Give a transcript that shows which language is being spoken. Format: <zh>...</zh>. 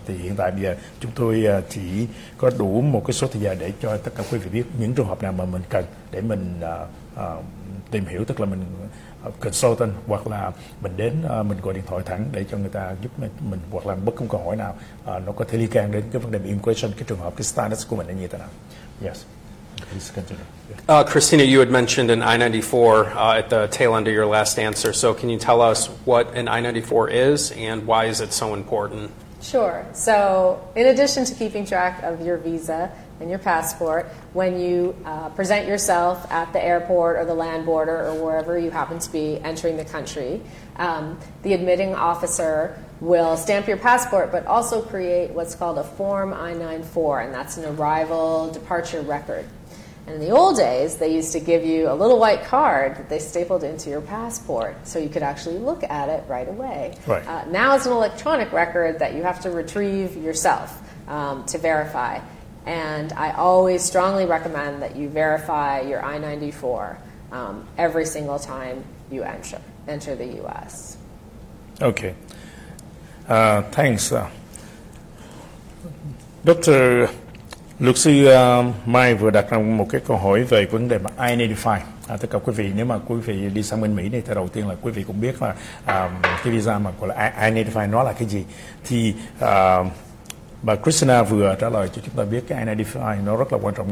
<vi>Thì hiện tại bây giờ chúng tôi chỉ có đủ một cái số thời gian để cho tất cả quý vị biết những trường hợp nào mà mình cần để mình tìm hiểu, tức là mình consultant, hoặc là mình đến mình gọi điện thoại thẳng để cho người ta giúp mình, hoặc là bất cứ câu hỏi nào nó có thể liên quan đến cái vấn đề immigration, cái trường hợp, cái status của mình là như thế nào.</vi> <en>Yes. Please continue. Christina, you had mentioned an I-94 at the tail end of your last answer. So can you tell us what an I-94 is and why is it so important? Sure. So in addition to keeping track of your visa and your passport, when you present yourself at the airport or the land border or wherever you happen to be entering the country, the admitting officer will stamp your passport but also create what's called a Form I-94, and that's an arrival departure record. And in the old days, they used to give you a little white card that they stapled into your passport so you could actually look at it right away. Right. Now it's an electronic record that you have to retrieve yourself to verify. And I always strongly recommend that you verify your I-94 every single time you enter the U.S. Okay. Thanks.</en> <vi>Doctor, luật sư Mai vừa đặt ra một cái câu hỏi về vấn đề mà I-95. Tất cả quý vị, nếu mà quý vị đi sang bên Mỹ này thì đầu tiên là quý vị cũng biết là cái visa mà gọi là I-95 nó là cái gì. Thì bà Christina vừa trả lời cho chúng ta biết cái I-95 nó rất là quan trọng.</vi>